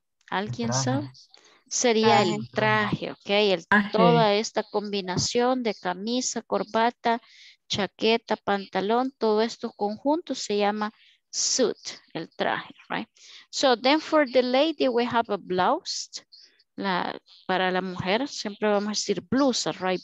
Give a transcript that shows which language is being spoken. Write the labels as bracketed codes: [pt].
[es] ¿Alguien sabe? Sería el traje, ¿ok? Toda esta combinación de camisa, corbata, chaqueta, pantalón, todo esto conjunto se llama suit, el traje, right? [en] So then for the lady, we have a blouse. [es] Para la mujer, siempre vamos a decir blusa, right?